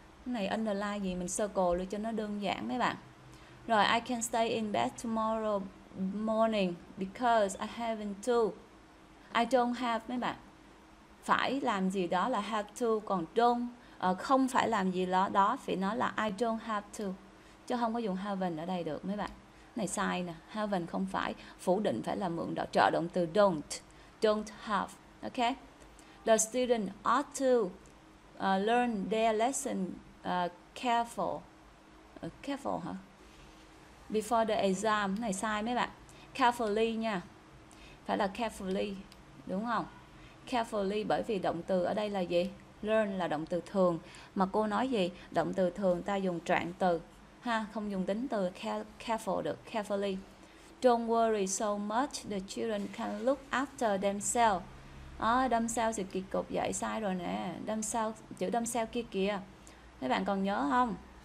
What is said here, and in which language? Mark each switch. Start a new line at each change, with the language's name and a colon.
Vietnamese: Cái này underline gì mình circle luôn cho nó đơn giản mấy bạn. Rồi,
English: I can stay in bed tomorrow morning because I haven't to. I don't have
Vietnamese: mấy bạn. Phải làm gì đó là have to, còn don't không phải làm gì đó đó phải nói là
English: I don't have to.
Vietnamese: Chứ không có dùng haven't ở đây được mấy bạn. Này sai nè, haven't không phải, phủ định phải là mượn đỡ trợ động từ don't.
English: Don't have. Okay. The student ought to learn their lesson careful.
Vietnamese: Careful hả?
English: Before the exam.
Vietnamese: Này sai mấy bạn. Carefully nha. Phải là carefully. Đúng không? Carefully, bởi vì động từ ở đây là gì? Learn là động từ thường. Mà cô nói gì? Động từ thường ta dùng trạng từ ha, không dùng tính từ careful được.
English: Carefully. Don't worry so much, the children can look after themselves.
Vietnamese: À, themselves thì kỳ cục vậy, sai rồi nè. Themselves, chữ themselves kia kìa. Mấy bạn còn nhớ không?